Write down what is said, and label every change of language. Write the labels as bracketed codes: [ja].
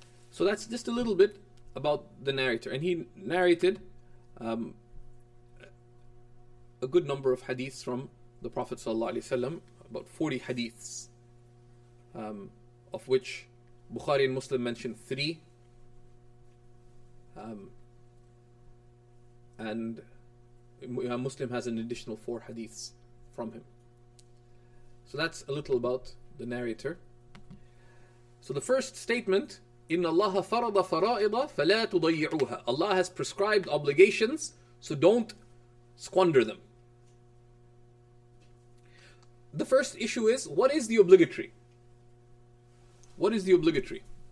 [en] So that's just a little bit about the narrator. And he narrated a good number of hadiths from the Prophet sallallahu alaihi wasallam, about 40 hadiths, of which Bukhari and Muslim mentioned 3. And Muslim has an additional 4 hadiths from him. So that's a little about the narrator. So the first statement, [ar] إِنَّ اللَّهَ فَرَضَ فَرَائِضَ فَلَا تُضَيِّعُوهَا. [en] Allah has prescribed obligations, so don't squander them. The first issue is, what is the obligatory? What is the obligatory?